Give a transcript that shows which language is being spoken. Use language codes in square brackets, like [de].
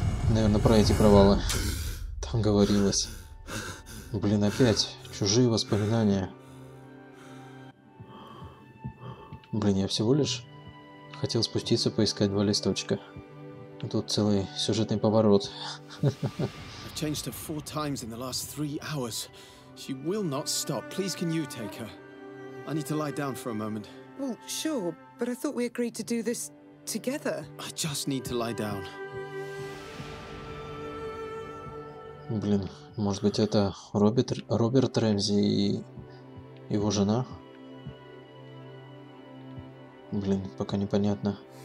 [ru] Наверное, про эти провалы там говорилось. Блин, опять чужие воспоминания. Блин, я всего лишь хотел спуститься поискать 2 листочка. Тут целый сюжетный поворот. [en] I've changed her 4 times in the last 3 hours. She will not stop. Please, can you take her? I need to lie down for a moment. Well, sure, but I thought we agreed to do this together. I just need to lie down. [ru] Блин, может быть это Роберт Рэмзи и его жена? Блин, пока непонятно.